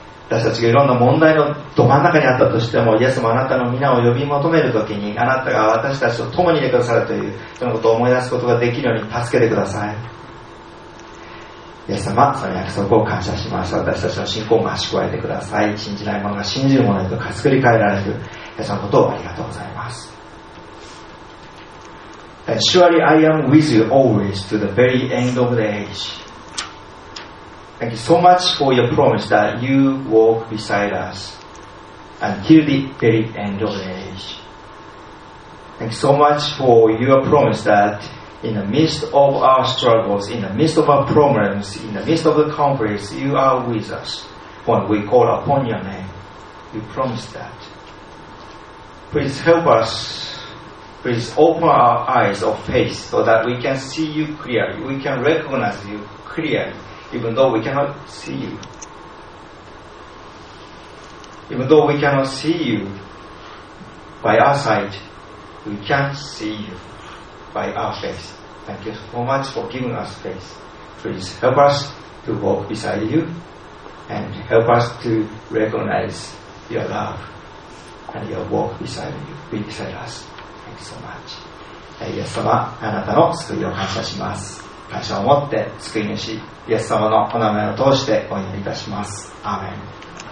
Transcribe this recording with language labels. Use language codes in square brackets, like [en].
[ja] 私たちがいろんな問題のど真ん中にあったとしても、イエス様、あなたの皆を呼び求めるときに、あなたが私たちと共にいてくださるというそのことを思い出すことができるように助けてください。イエス様、その約束を感謝します。私たちの信仰を増し加えてください。信じない者が信じる者へと作り変えられる、そのことをありがとうございます。 [en] Surely I am with you always to the very end of the ageThank you so much for your promise that you walk beside us until the very end of the age. Thank you so much for your promise that in the midst of our struggles, in the midst of our problems, in the midst of the conflicts, you are with us when we call upon your name. You promised that. Please help us. Please open our eyes of faith so that we can see you clearly. We can recognize you clearly. Even though we cannot see you. Even though we cannot see you by our sight, we can see you by our faith. Thank you so much for giving us faith. Please help us to walk beside you and help us to recognize your love and your walk beside you, beside us. Thank you so much. [ja] イエス様、あなたの救いを感謝します。感謝を持って救い主イエス様のお名前を通してお祈りいたします。アーメン。